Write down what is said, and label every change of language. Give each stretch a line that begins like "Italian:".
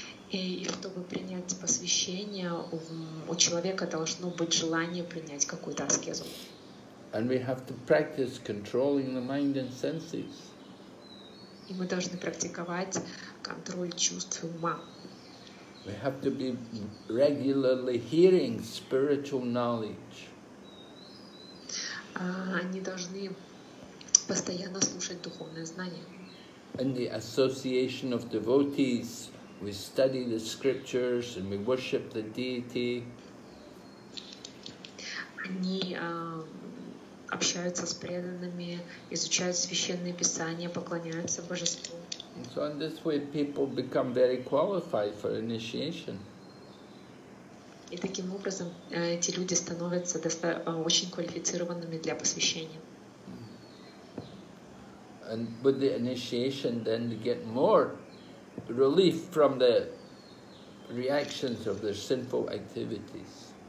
Russian: И чтобы принять посвящение, у человека должно быть желание принять какую-то аскезу.
English: And we have to practice controlling the mind and senses.
Russian: И мы должны практиковать контроль чувств и ума.
English: We have to be regularly hearing spiritual knowledge.
Russian: Они должны постоянно слушать духовное знание.
English: In the association of devotees, we study the scriptures and we worship the deity.
Russian: Они общаются с преданными, изучают священные писания, поклоняются божеству.
English: And so in this way people become very qualified for initiation.
Russian: И таким образом эти люди становятся очень квалифицированными для посвящения.
English: And with the initiation then they get more relief from the reactions of their sinful activities.